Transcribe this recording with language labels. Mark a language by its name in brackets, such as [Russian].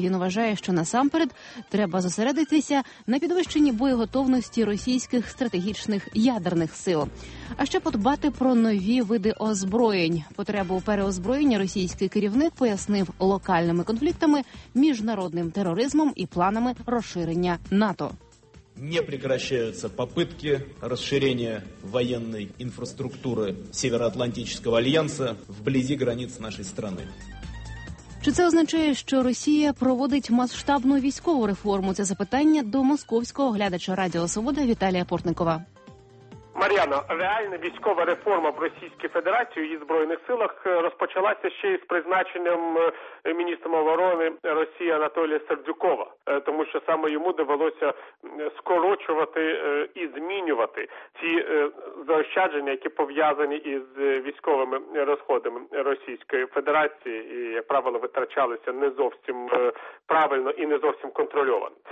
[Ukrainian] Він вважає, що насамперед треба зосередитися на підвищенні боєготовності російських стратегічних ядерних сил. А ще подбати про нові види озброєнь. Потребу переозброєння російський керівник пояснив локальними конфліктами, міжнародним тероризмом і планами розширення НАТО. [Russian] Не прекращаются попытки расширения военной инфраструктуры Североатлантического альянса вблизи границ нашей страны. [Ukrainian] Чи це означає, що Росія проводить масштабну військову реформу? Це запитання до московського глядача Радіо Свобода Віталія Портникова. Мар'яно, реальна військова реформа в Російській Федерації у її Збройних силах розпочалася ще із призначенням міністром оборони Росії Анатолія Сердюкова, тому що саме йому довелося скорочувати і змінювати ці заощадження, які пов'язані із військовими розходами Російської Федерації і, як правило, витрачалися не зовсім правильно і не зовсім контрольовано.